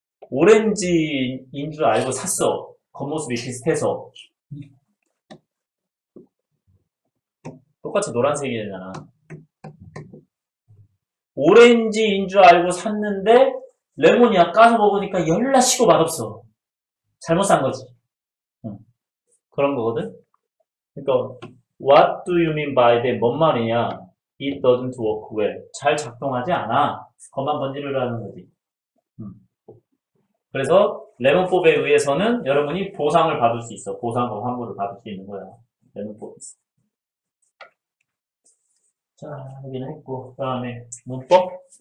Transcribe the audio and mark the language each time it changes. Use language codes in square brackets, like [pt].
[ko] 오렌지인 줄 알고 샀어. 겉모습이 비슷해서. 똑같이 노란색이 되잖아. 오렌지인 줄 알고 샀는데 레몬이야. 까서 먹으니까 열나 시고 맛없어. 잘못 산 거지. 그런 거거든. 그러니까 [en] what do you mean by that? [ko] 뭔 말이냐? [en] It doesn't work well. [ko] 잘 작동하지 않아. 겉만 번지르르 하는 거지. 그래서 레몬법에 의해서는 여러분이 보상을 받을 수 있어. 보상과 환불을 받을 수 있는 거야. 레몬법에서. 자, 여기는 했고, 그 다음에 문법.